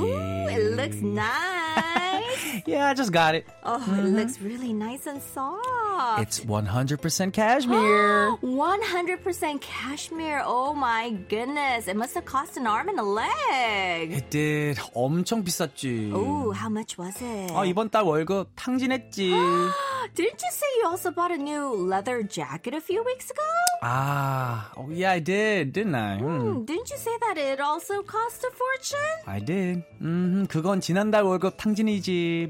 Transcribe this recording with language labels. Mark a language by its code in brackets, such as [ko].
[en] Ooh, it looks nice. Yeah, I just got it. Oh, it looks really nice and soft. It's 100% cashmere. 100% cashmere. Oh, my goodness. It must have cost an arm and a leg. It did. [ko] 엄청 비쌌지. [en] Ooh, how much was it? [ko] 아, 이번 달 월급 탕진했지. [en] Didn't you say you also bought a new leather jacket a few weeks ago? Yeah, I did, didn't I? Didn't you say that it also cost a fortune? I did. [ko] 그건 지난달 월급 탕진이지.